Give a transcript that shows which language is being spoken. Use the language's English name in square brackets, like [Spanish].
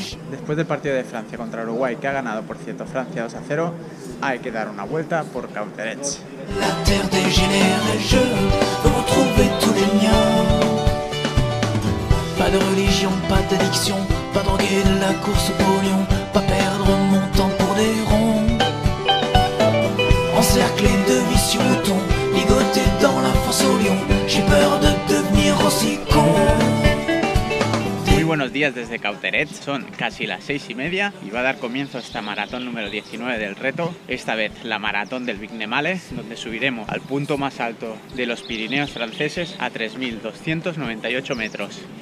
[Spanish] Después del partido de Francia contra Uruguay, que ha ganado, por cierto, Francia 2-0, hay que dar una vuelta por Cauterets. [French] La terre des générés, je veux retrouver tous les miens. Pas de religion, pas d'addiction, pas de drogue et de la course au pognon. Pas perdre mon temps pour des ronds. Encerclé de vis sur le ton, ligoté dans la fosse au lion. J'ai peur de devenir aussi con. [Spanish] Buenos días desde Cauterets, son casi las 6:30 y va a dar comienzo esta maratón número 19 del reto, esta vez la maratón del Big Nemale, donde subiremos al punto más alto de los Pirineos franceses a 3.298 metros.